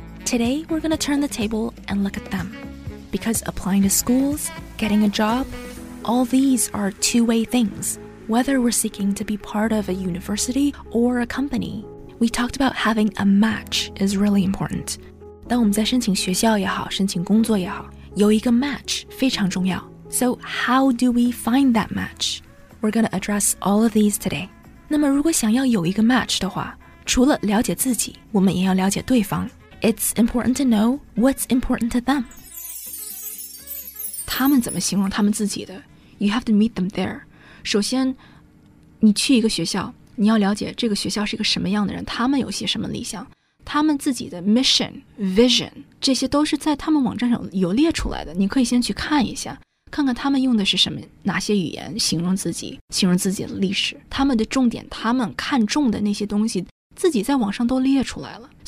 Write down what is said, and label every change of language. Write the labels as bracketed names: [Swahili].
[English] Today, we're going to turn the table and look at them. Because applying to schools, getting a job, all these are two-way things, whether we're seeking to be part of a university or a company. We talked about having a match is really important. [Chinese] 当我们在申请学校也好，申请工作也好，有一个 match 非常重要。 [English] So how do we find that match? We're going to address all of these today. [Chinese] 那么如果想要有一个 match 的话，除了了解自己，我们也要了解对方。 [English] It's important to know what's important to them. [Chinese] 他们怎么形容他们自己的？ [English] You have to meet them there. [Chinese] 首先，你去一个学校，你要了解这个学校是一个什么样的人，他们有些什么理想。他们自己的 mission, vision, 这些都是在他们网站上有列出来的，你可以先去看一下，看看他们用的是什么，哪些语言形容自己，形容自己的历史，他们的重点，他们看重的那些东西，自己在网上都列出来了。